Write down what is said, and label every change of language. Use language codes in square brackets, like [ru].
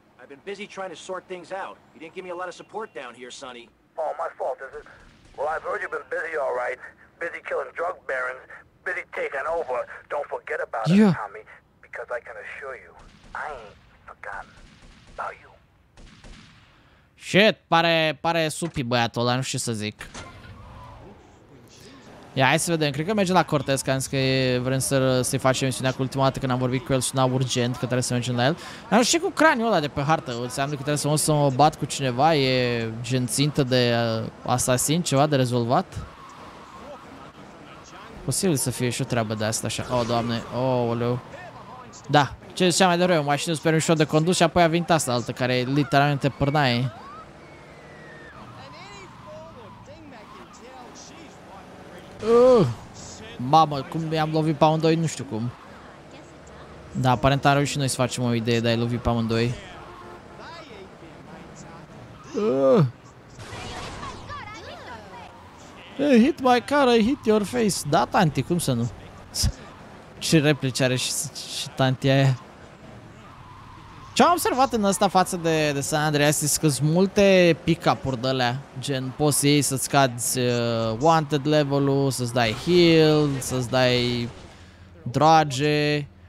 [en] I've been busy trying to sort things out. You didn't give me a lot of support down here, Sonny. Oh, my fault, is it? Well, I've heard you've been busy, all right. Busy killing drug barons. Busy taking over. Don't forget about it, Tommy. Because I can assure you, I ain't forgotten about you. [ro] Shit, pare supi băiatul ăla, nu știu ce să zic. Ia, hai să vedem, cred că merge la Cortez, că am zis că vrem să-i facem misiunea cu ultima dată când am vorbit cu el, suna urgent că trebuie să mergem la el. Dar nu știu cu craniul ăla de pe hartă, înseamnă că trebuie să mă bat cu cineva, e gen țintă de asasin, ceva de rezolvat. Posibil să fie și o treabă de asta așa, oh doamne, oh aleu. Da, ce ziceam mai devreme, o mașină super ușor de condus și apoi a venit asta altă care literalmente pârnaie. Ugh! Mamă, cum i-am lovit pe amândoi, nu știu cum. Da, aparent am reușit noi să facem o idee de a-i lovi pe amândoi. [en] Hey, hit my car, I hit your face. [ro] Da, tanti, cum să nu? Ce replici are și tanti aia. Ce am observat în asta față de San Andreas este că sunt multe pick-up-uri de alea. Gen, poți să iei să-ți cadi wanted level-ul, să-ți dai heal, să-ți dai drage.